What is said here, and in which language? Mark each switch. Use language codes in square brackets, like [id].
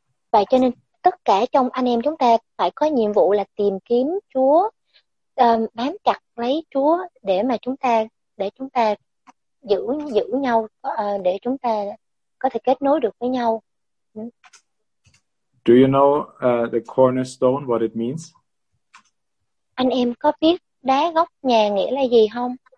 [vi] Vậy cho nên tất cả trong anh em chúng ta phải có nhiệm vụ là tìm kiếm Chúa, bám chặt lấy Chúa để mà chúng ta giữ nhau, để chúng ta có thể kết nối được với nhau. [en] Do you know the cornerstone, what it means? [vi] Anh em có biết đá gốc nhà nghĩa là gì không?